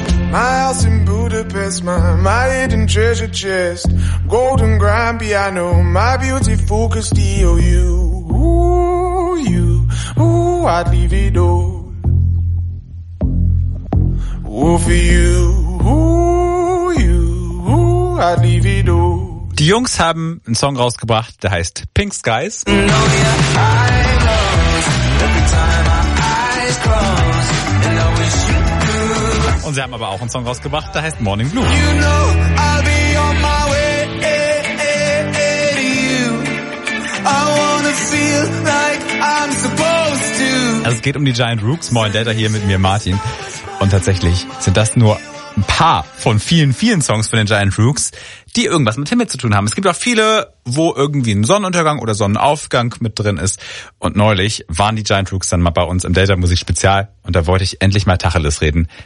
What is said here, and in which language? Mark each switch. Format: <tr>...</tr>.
<en>My house in Budapest, my hidden treasure chest, golden grand piano, my beautiful Castillo, you, ooh, you, ooh, I'd leave it all, ooh, for you, ooh, you, ooh, I'd leave it all.</en> <de>Die Jungs haben einen Song rausgebracht, der heißt Pink Skies. Und sie haben aber auch einen Song rausgebracht, der heißt Morning Blue.</de> <en>You know I'll be on my way to you. I wanna feel like I'm supposed to.</en> <de>Also es geht um die Giant Rooks. Moin Delta hier mit mir, Martin. Und tatsächlich sind das nur ein paar von vielen, vielen Songs von den Giant Rooks, die irgendwas mit Himmel zu tun haben. Es gibt auch viele, wo irgendwie ein Sonnenuntergang oder Sonnenaufgang mit drin ist. Und neulich waren die Giant Rooks dann mal bei uns im Delta Musik Spezial und da wollte ich endlich mal Tacheles reden.</de>